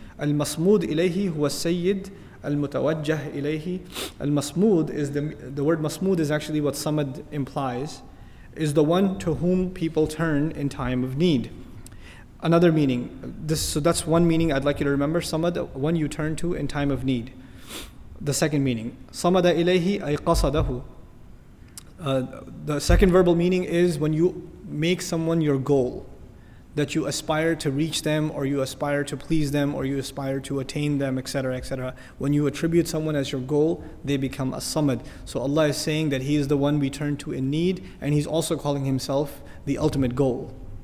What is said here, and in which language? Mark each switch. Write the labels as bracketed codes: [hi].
[ar] المصمود إليه هو السيد. المتوجه إليه. [en] المصمود is the word مصمود is actually what صمد implies, is the one to whom people turn in time of need. Another meaning, so that's one meaning I'd like you to remember, صمد, one you turn to in time of need. The second meaning, [ar] صمد إليه أي قصده. [en] The second verbal meaning is when you make someone your goal, that you aspire to reach them, or you aspire to please them, or you aspire to attain them, etc., etc. When you attribute someone as your goal, they become a samad. So Allah is saying that He is the one we turn to in need, and He's also calling Himself the ultimate goal.